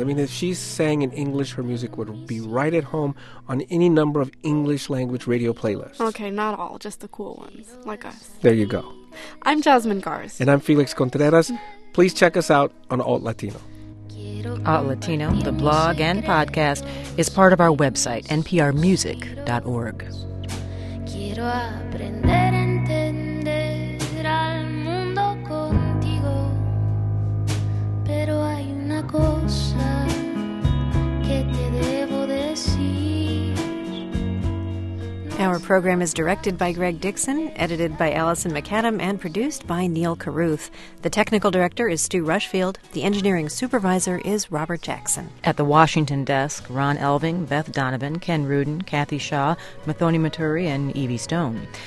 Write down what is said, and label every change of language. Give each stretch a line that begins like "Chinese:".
English: I mean, if she sang in English, her music would be right at home on any number of English language radio playlists. Okay, not all, just the cool ones, like us. There you go. I'm Jasmine Garz. And I'm Felix Contreras. Please check us out on Alt Latino. Alt Latino, the blog and podcast, is part of our website, nprmusic.org.
Spanish: Quiero aprender a entender al mundo con Pero hay una cosa que te debo decir.
English: Our program is directed by Greg Dixon, edited by Allison McAdam, and produced by Neil Carruth. The technical director is Stu Rushfield. The engineering supervisor is Robert Jackson. At the Washington desk, Ron Elving, Beth Donovan, Ken Rudin, Kathy Shaw, Mathoni Maturi, and Evie Stone.